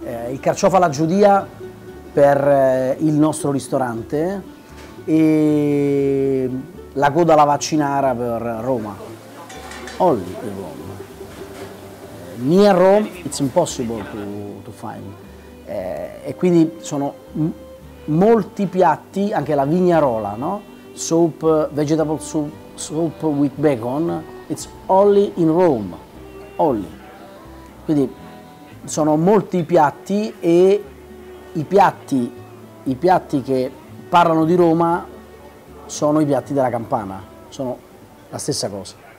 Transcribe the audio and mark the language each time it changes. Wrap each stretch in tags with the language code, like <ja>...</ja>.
<it>Il carciofo alla giudia per il nostro ristorante e la coda alla vaccinara per Roma.</it> <en>Only the Rome. Near Rome it's impossible to find.</en> <it>E quindi sono molti piatti, anche la vignarola, no?</it> <en>Soup, vegetable soup, soup with bacon, it's only in Rome. Only.</en> <it>Quindi sono molti i piatti e i piatti che parlano di Roma sono i piatti della Campana, sono la stessa cosa.</it>